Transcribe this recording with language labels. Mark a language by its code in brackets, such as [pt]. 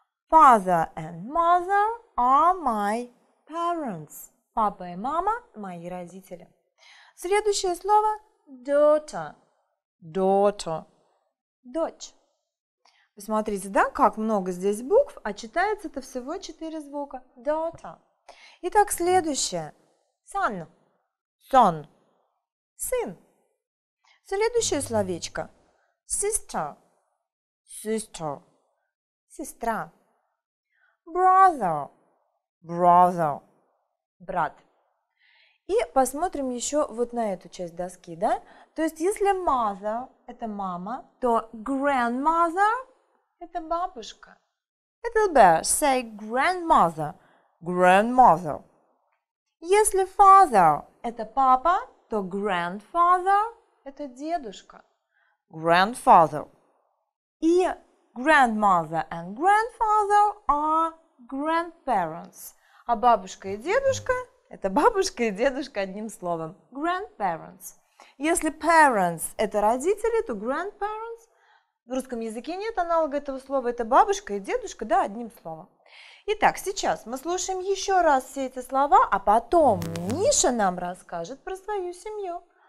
[en] Father and mother are my parents. [ru] Папа и мама – мои родители. Следующее слово – daughter. [en] Daughter. [ru] Дочь. Посмотрите, да, как много здесь букв, а читается-то всего 4 звука. Daughter. Итак, следующее. Son. [en] Son. [ru] Сын. Следующее словечко. Sister. [en] Sister. [ru] Сестра. Brother. [en] Brother. [ru] Брат. И посмотрим еще вот на эту часть доски, да? То есть, если mother – это мама, то grandmother – это бабушка. [en] Little bear, say grandmother. Grandmother. [ru] Если father – это папа, то grandfather – это дедушка. [en] Grandfather. И grandmother and grandfather are grandparents. [ru] А бабушка и дедушка – это бабушка и дедушка одним словом. Grandparents. Если parents – это родители, то grandparents. В русском языке нет аналога этого слова. Это бабушка и дедушка, да, одним словом. Итак, сейчас мы слушаем еще раз все эти слова, а потом Миша нам расскажет про свою семью.